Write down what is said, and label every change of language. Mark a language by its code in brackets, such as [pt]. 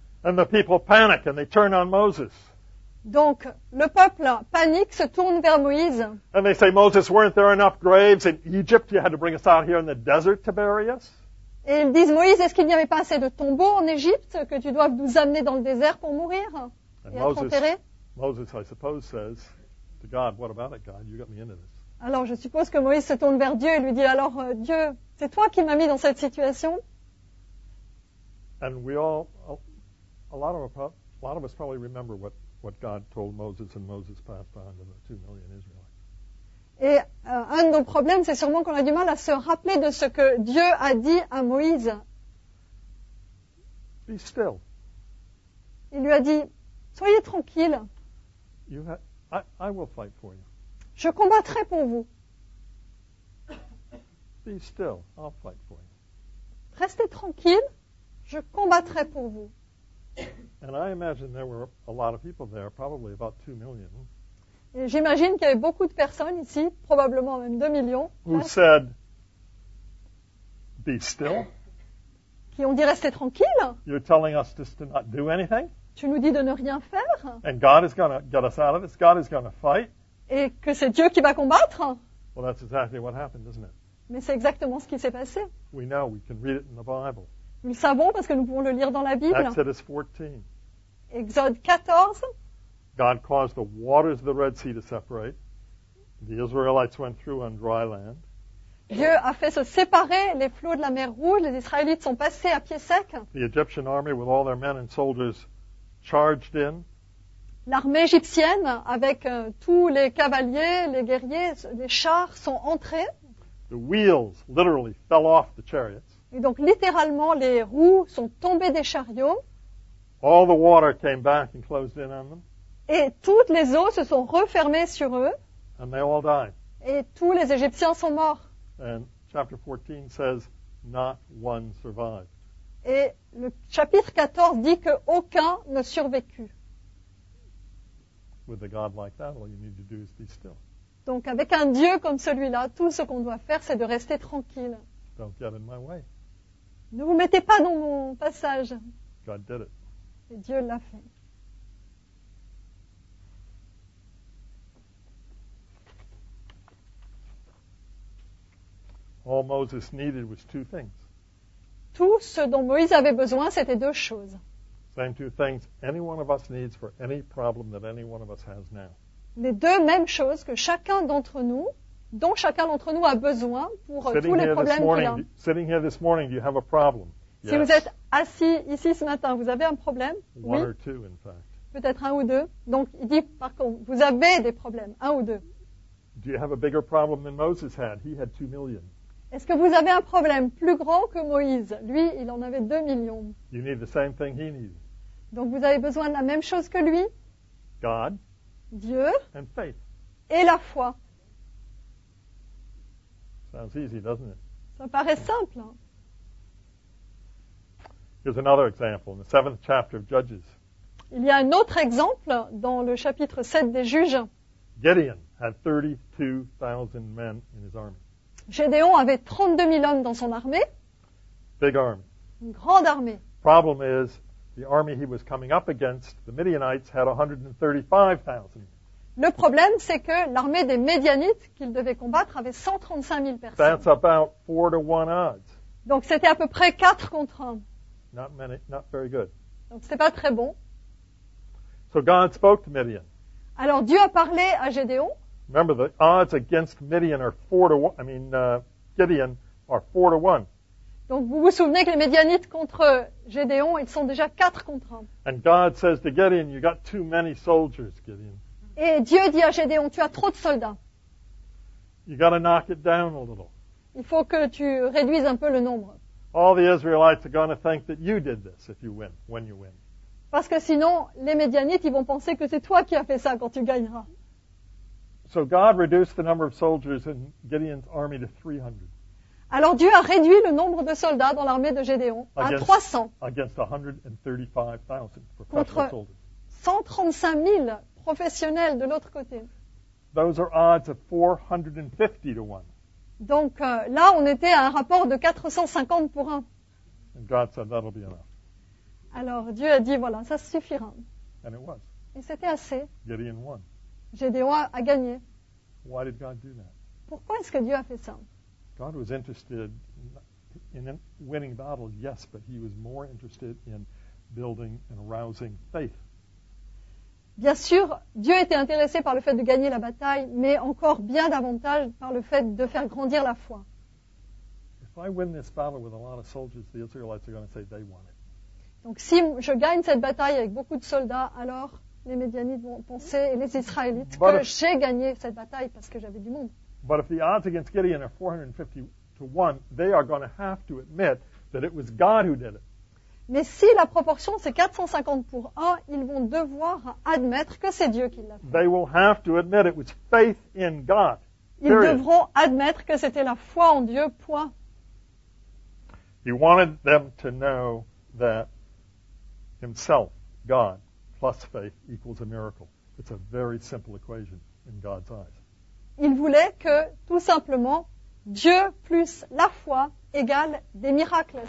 [en] And the people panic and they turn on Moses. [fr] Donc, le peuple panique, se tourne vers Moïse. [en] And they say, Moses, weren't there enough graves in Egypt? You had to bring us out here in the desert to bury us? [fr] Et ils disent, Moïse, est-ce qu'il n'y avait pas assez de tombeaux en Égypte que tu dois nous amener dans le désert pour mourir [en] and [fr] et être enterré? [en] Moses, I suppose, says to God, what about it, God? You got me into this. [fr] Alors, je suppose que Moïse se tourne vers Dieu et lui dit, alors, Dieu, c'est toi qui m'as mis dans cette situation? [en] And we all, a lot of us probably remember what God told Moses, and Moses passed on to the 2 million Israelites. [fr] Et un de nos problèmes, c'est sûrement qu'on a du mal à se rappeler de ce que Dieu a dit à Moïse. [en] Be still. [fr] Il lui a dit, soyez tranquille. [en] I will fight for you. [fr] Je combattrai pour vous. [en] Be still. I'll fight for you. [fr] Restez tranquille. Je combattrai pour vous. [en] And I imagine there were a lot of people there, probably about 2 million. [fr] Et j'imagine qu'il y avait beaucoup de personnes ici, probablement même 2 millions. [en] Who said, be still? [fr] Qui ont dit restez tranquille? [en] You're telling us just to not do anything? [fr] Tu nous dis de ne rien faire. [en] And God is going to get us out of this. God is going to fight. [fr] Et que c'est Dieu qui va combattre. [en] Well, that's exactly what happened, isn't it? [fr] Mais c'est exactement ce qui s'est passé. [en] We know. We can read it in the Bible. [fr] Nous le savons parce que nous pouvons le lire dans la Bible. [en] Exodus 14. [fr] Exode 14. [en] God caused the waters of the Red Sea to separate. The Israelites went through on dry land. [fr] Dieu a fait se séparer les flots de la mer Rouge. Les Israélites sont passés à pied sec. [en] The Egyptian army with all their men and soldiers charged in. [fr] L'armée égyptienne avec tous les cavaliers, les guerriers, les chars sont entrés. [en] The wheels literally fell off the chariots. [fr] Et donc littéralement les roues sont tombées des chariots. [en] All the water came back and closed in on them. [fr] Et toutes les eaux se sont refermées sur eux. [en] And they all died. [fr] Et tous les Égyptiens sont morts. [en] And chapter 14 says not one survived. [fr] Et le chapitre 14 dit que aucun ne survécut. [en] With a God like that, all you need to do is be still. [fr] Donc avec un Dieu comme celui-là, tout ce qu'on doit faire, c'est de rester tranquille. [en] Don't get in my way. [fr] Ne vous mettez pas dans mon passage. [en] God did it. [fr] Et Dieu l'a fait. [en] All Moses needed was two things. [fr] Tout ce dont Moïse avait besoin, c'était deux choses. [en] Same two things any one of us needs for any problem that any one of us has now. [fr] Les deux mêmes choses que chacun d'entre nous, dont chacun d'entre nous a besoin pour tous les problèmes [en] morning, [fr] qu'il a. [en] Sitting here this morning, do you have a problem? [fr] Si [en] yes. [fr] Vous êtes assis ici ce matin, vous avez un problème? [en] One [fr] oui. [en] Or two, in fact. [fr] Peut-être un ou deux. Donc, il dit par contre, vous avez des problèmes, un ou deux. [en] Do you have a bigger problem than Moses had? He had 2 million. [fr] Est-ce que vous avez un problème plus grand que Moïse? Lui, il en avait 2 millions. [en] You need the same thing he needs. [fr] Donc vous avez besoin de la même chose que lui? [en] God. [fr] Dieu. [en] And faith. [fr] Et la foi. [en] Sounds easy, doesn't it? [fr] Ça paraît simple. [en] Here's another example in the 7th chapter of Judges. [fr] Il y a un autre exemple dans le chapitre 7 des Juges. [en] Gideon had 32,000 men in his army. [fr] Gédéon avait 32 000 hommes dans son armée. [en] Big army. [fr] Une grande armée. [en] Problem is, the army he was coming up against, the Midianites, had 135,000. [fr] Le problème, c'est que l'armée des Midianites qu'il devait combattre avait 135 000 personnes. [en] That's about 4-1 odds. [fr] Donc c'était à peu près 4 contre 1. [en] Not very good. [fr] Donc c'était pas très bon. [en] So God spoke to Midian. [fr] Alors Dieu a parlé à Gédéon. [en] Remember, the odds against Midian are 4-1. Gideon are 4-1. [fr] Donc, vous vous souvenez que les Midianites contre Gédéon, ils sont déjà 4 contre 1. [en] And God says to Gideon, you got too many soldiers, Gideon. [fr] Et Dieu dit à Gédéon, tu as trop de soldats. [en] You got to knock it down a little. [fr] Il faut que tu réduises un peu le nombre. [en] All the Israelites are going to think that you did this if you win, when you win. [fr] Parce que sinon, les Midianites, ils vont penser que c'est toi qui as fait ça quand tu gagneras. [en] So God reduced the number of soldiers in Gideon's army to 300. [fr] Alors Dieu a réduit le nombre de soldats dans l'armée de Gédéon à 300. [en] Against 135,000 [fr] contre [en] soldiers. [fr] 135 000 professionnels de l'autre côté. [en] Those are odds of 450-1. [fr] Donc là, on était à un rapport de 450-1. [en] And God said that'll be enough. [fr] Alors Dieu a dit voilà, ça suffira. [en] And it was. [fr] Et c'était assez. [en] Gideon won. [fr] Gédéon a gagné. [en] Why did God do that? [fr] Pourquoi est-ce que Dieu a fait ça? [en] God was interested in winning battles, yes, but he was more interested in building and arousing faith. [fr] Bien sûr, Dieu était intéressé par le fait de gagner la bataille, mais encore bien davantage par le fait de faire grandir la foi. [en] If I win this battle with a lot of soldiers, the Israelites are going to say they want it. [fr] Donc si je gagne cette bataille avec beaucoup de soldats, alors les Médianites vont penser, et les Israélites, [en] but [fr] que j'ai gagné cette bataille parce que j'avais du monde. [en] But if the odds against Gideon are 450-1, they are going to have to admit that it was God who did it. [fr] Mais si la proportion c'est 450-1, ils vont devoir admettre que c'est Dieu qui l'a fait. [en] They will have to admit it was faith in God. [fr] Ils [en] period. [fr] Devront admettre que c'était la foi en Dieu, point. [en] He wanted them to know that himself, God, plus faith equals a miracle. It's a very simple equation in God's eyes. [fr] Il voulait que, tout simplement, Dieu plus la foi égale des miracles.